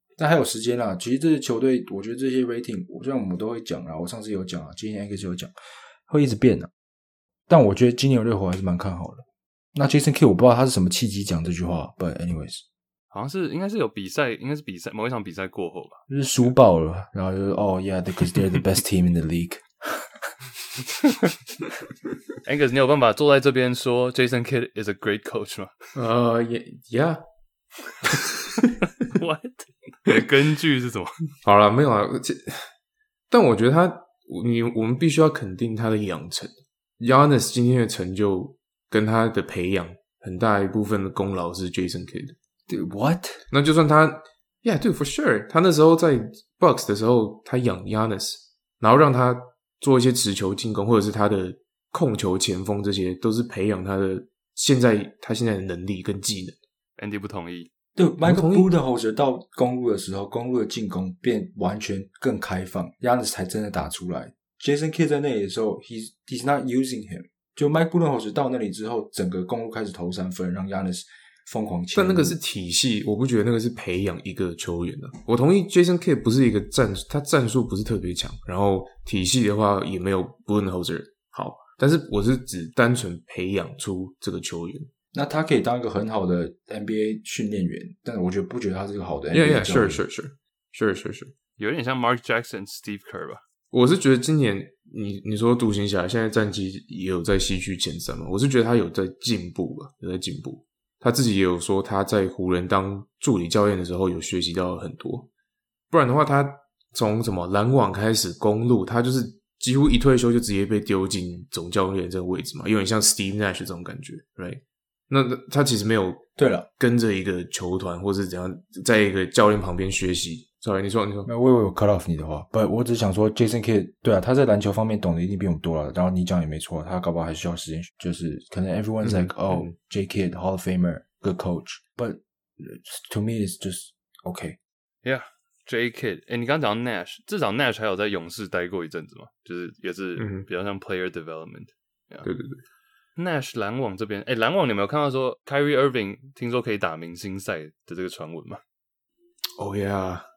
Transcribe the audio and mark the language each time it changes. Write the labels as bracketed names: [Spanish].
[Chinese] 但还有时间啦，其实这球队我觉得这些 rating， 虽然我们都会讲啦，我上次有讲啦，今年 X 有讲，会一直变啦。但我觉得今年热火还是蛮看好的。那 Jason Kidd 我不知道他是什么契机讲这句话， but anyways，好像是应该是比赛某一场比赛过后吧， [English] 就是输爆了，然后就是 oh yeah because they're the best team in the league。 [Chinese] Angus， 你有办法坐在这边说 Jason Kidd is a great coach 吗？ [English] yeah What？根据是什么？ [Chinese] 好啦，没有啦，但我觉得他，我们必须要肯定他的养成。 Giannis 今天的成就跟他的培养，很大一部分的功劳是 Jason Kidd。 [English] Dude, what？那就算他，Yeah, dude, for sure。 [Chinese] 他那时候在 Bucks 的时候，他养 Giannis， 然后让他做一些持球进攻，或者是他的控球前锋，这些都是培养他的现在他现在的能力跟技能。 Andy 不同意。对 ，Michael Budenholzer 到公路的时候，公路的进攻变完全更开放 ，Giannis 才真的打出来。 [English] Jason Kidd 在那里的时候，he's not using him。 [Chinese] 就 Mike Budenholzer 到那里之后，整个公路开始投三分，让 Giannis 疯狂切入。但那个是体系，我不觉得那个是培养一个球员的、啊。我同意 Jason Kidd 不是一个战术不是特别强，然后体系的话也没有 Budenholzer 好。但是我是指单纯培养出这个球员。那他可以当一个很好的 NBA 训练员，但我觉得不觉得他是一个好的 NBA 教练。 [English] Yeah, yeah, sure, sure, sure, sure, sure. [Chinese] 有点像 Mark Jackson, Steve Kerr 吧。我是觉得今年你说独行侠现在战绩也有在西区前三嘛，我是觉得他有在进步吧，有在进步。他自己也有说他在湖人当助理教练的时候有学习到很多。不然的话他从什么篮网开始公路，他就是几乎一退休就直接被丢进总教练这个位置嘛，有点像 Steve Nash 这种感觉 , right? 那他其实没有对了，跟着一个球团或是怎样，在一个教练旁边学习。 [English] Sorry, 你说， [Chinese] 没有，我 cut off 你的话，不，我只想说 ，Jason Kidd 对啊，他在篮球方面懂得一定比我们多了。 [English] 然后你讲也没错，他搞不好还需要时间，就是可能 everyone's like,、嗯、oh, J Kidd Hall of Famer, good coach, but to me it's just okay. [Chinese] Yeah, J Kidd， 哎，你刚讲 Nash， 至少 Nash 还有在勇士待过一阵子嘛，就是也是比较像 player development、嗯。 [English] Yeah. [Chinese] 对对对。 Nash 篮网这边，哎，篮网你有没有看到说 Kyrie Irving 听说可以打明星赛的这个传闻吗 [English] ？Oh yeah，